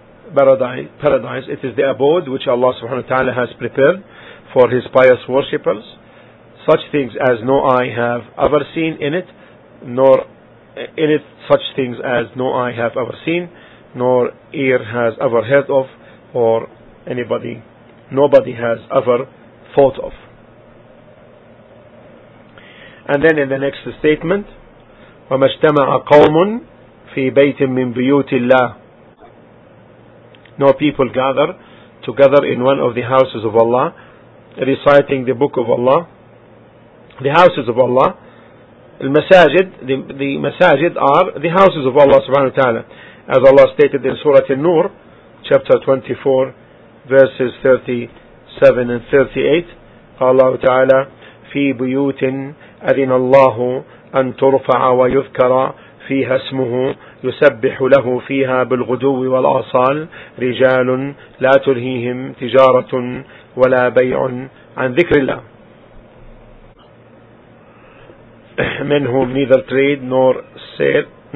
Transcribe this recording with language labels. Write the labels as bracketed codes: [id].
[en] This is paradise. It is the abode which Allah subhanahu wa ta'ala has prepared for his pious worshippers, such things as no eye have ever seen in it, nor in it such things as no eye have ever seen, nor ear has ever heard of, or nobody has ever thought of. And then in the next statement, [ar] وَمَا اجْتَمَعَ قَوْمٌ فِي بَيْتٍ مِّن بِيُوتِ اللَّهِ. [en] No people gather together in one of the houses of Allah, reciting the book of Allah. The houses of Allah, المساجد, the masajid are the houses of Allah subhanahu wa ta'ala, as Allah stated in Surah An-Nur, chapter 24, verses 37 and 38. [ar] قال الله تعالى في بيوت أذن الله أن ترفع ويذكر فيها اسمه يسبح له فيها بالغدو والآصال رجال لا تلهيهم تجارة ولا بيع عن ذكر الله. [en] Men whom neither trade nor sale.